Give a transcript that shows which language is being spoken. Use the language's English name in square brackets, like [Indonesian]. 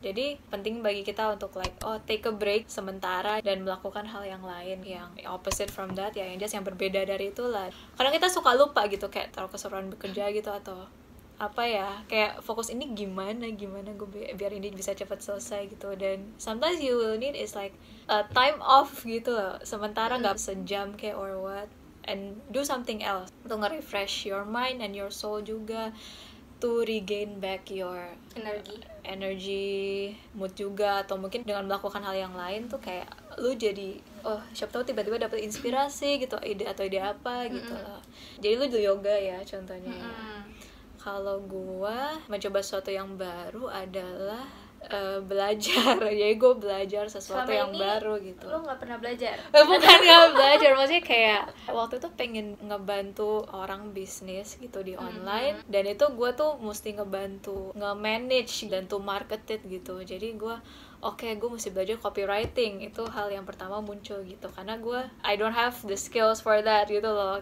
[Indonesian] Jadi penting bagi kita untuk like, oh [English] take a break [Indonesian] sementara dan melakukan hal yang lain yang [English] opposite from that, [Indonesian] ya yang just yang berbeda dari itu lah. Kadang kita suka lupa gitu, kayak terlalu keseruan bekerja gitu atau apa ya, kayak fokus ini gimana gue biar ini bisa cepat selesai gitu. [English] Dan sometimes you will need is like a time off gitu loh, [Indonesian] sementara gak sejam kayak [English] or what, and do something else to nge-refresh your mind and your soul juga, to regain back your energy [Indonesian] mood juga, atau mungkin dengan melakukan hal yang lain tuh kayak lu jadi, oh siapa tahu tiba-tiba dapet inspirasi gitu, ide atau ide apa gitu loh. Jadi lu do yoga ya contohnya. Kalau gue mencoba sesuatu yang baru adalah belajar. Jadi gue belajar sesuatu selama yang ini, baru gitu. Lo gak pernah belajar? Bukan gak belajar, maksudnya kayak waktu itu pengen ngebantu orang bisnis gitu di online. Dan itu gue tuh mesti ngebantu, nge-manage dan [English] to market it [Indonesian] gitu. Jadi gue, okay, gue mesti belajar copywriting. Itu hal yang pertama muncul gitu. Karena gue, [English] I don't have the skills for that [Indonesian] gitu loh.